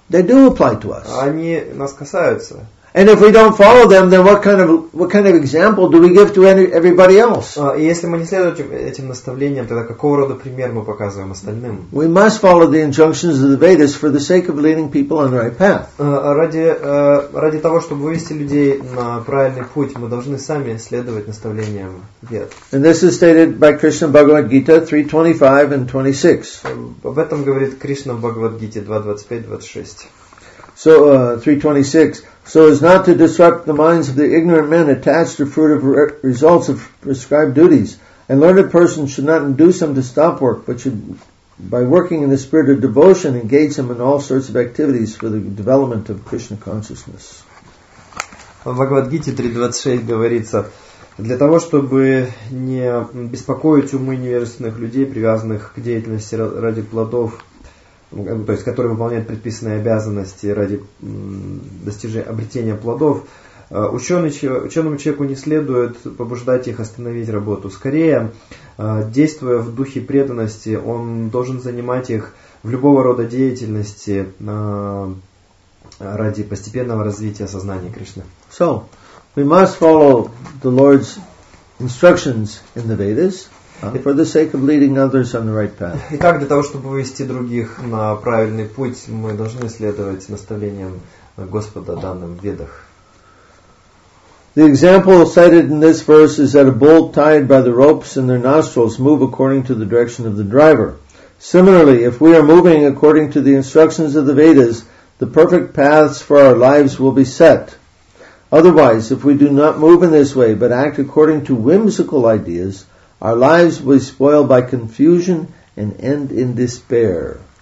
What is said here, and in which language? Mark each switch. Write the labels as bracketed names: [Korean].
[English] They do apply to us. [Russian] Они нас касаются. [English] And if we don't follow them, then what kind of example do we give to everybody else? [Russian] И если мы не следуем этим наставлениям, тогда какого рода пример мы показываем остальным? [English] We must follow the injunctions of the Vedas for the sake of leading people on the right path. [Russian] Ради того, чтобы вывести людей на правильный путь, мы должны сами следовать наставлениям Вед. [English] And this is stated by Krishna Bhagavad Gita 3:25 and 26. [Russian] Об этом говорит Кришна в Бхагавад-гите 2:25-26. [English] So 3:26. So as not to disrupt the minds of the ignorant men attached to fruit of results of prescribed duties, and learned persons should not induce them to stop work, but should, by working in the spirit of devotion, engage them in all sorts of activities for the development of Krishna consciousness. [Russian] Бхагавад-гите 3.26 говорится: для того, чтобы не беспокоить умы невежественных людей, привязанных к деятельности ради плодов, то есть которые выполняют предписанные обязанности ради достижения обретения плодов, ученому человеку не следует побуждать их остановить работу. Скорее, действуя в духе преданности, он должен занимать их в любого рода деятельности ради постепенного развития сознания Кришны. [English] So, we must follow the Lord's instructions in the Vedas for the sake of leading others on the right path. [Russian] Итак, для того, чтобы вывести других на правильный путь, мы должны следовать наставлениям Господа, данным в Ведах. [English] The example cited in this verse is that a bull tied by the ropes in their nostrils move according to the direction of the driver. Similarly, if we are moving according to the instructions of the Vedas, the perfect paths for our lives will be set. Otherwise, if we do not move in this way, but act according to whimsical ideas, our lives will be spoiled by confusion and end in despair.